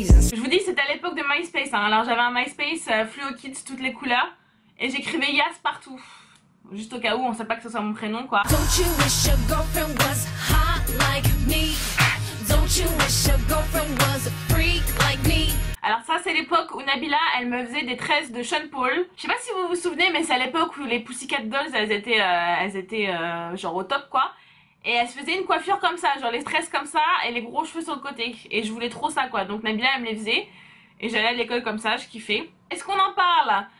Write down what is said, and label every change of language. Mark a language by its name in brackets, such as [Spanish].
[French] Je vous dis, c'était à l'époque de MySpace, hein. Alors j'avais un MySpace Fluo Kids, toutes les couleurs. Et j'écrivais Yas partout. Juste au cas où, on sait pas que ce soit mon prénom, quoi. [English] Don't you wish your girlfriend was hot like me? Don't you wish your girlfriend was a freak like me? [French] Alors ça c'est l'époque où Nabila elle me faisait des tresses de Sean Paul. Je sais pas si vous vous souvenez mais c'est à l'époque où les Pussycat Dolls elles étaient genre au top, quoi. Et elle se faisait une coiffure comme ça, genre les tresses comme ça et les gros cheveux sur le côté. Et je voulais trop ça, quoi, donc Nabila elle me les faisait. Et j'allais à l'école comme ça, je kiffais. Est-ce qu'on en parle?